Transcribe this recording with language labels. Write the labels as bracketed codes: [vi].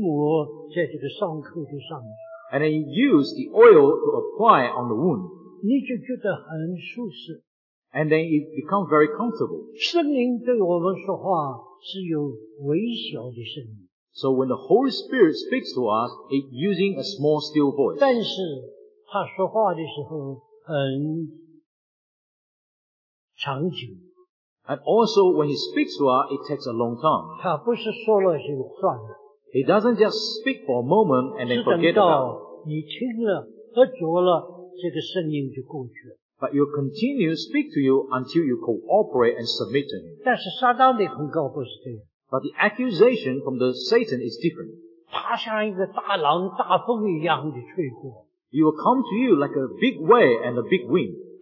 [zh] 那么你用膏油涂抹在这个伤口的上面, [en] and then you use the oil to apply on the wound, [zh] 你就觉得很舒适, [en] and then it becomes very comfortable. [zh] 圣灵对我们说话是有微小的声音, [en] so when the Holy Spirit speaks to us, it's using a small still voice. [zh] 但是他说话的时候很长久, [en] and also when he speaks to us, it takes a long time. [zh] 他不是说了就算了, [en] he doesn't just speak for a moment and then forget about it. [zh] 是等到你听了和着了, 这个声音就过去了, [en] but you continue to speak to you until you cooperate and submit to him. [zh] 但是撒旦的控告不是这样, [en] but the accusation from the Satan is different. [zh] 他像一个大浪大风一样的吹过, [en] he will come to you like a big wave and a big wind.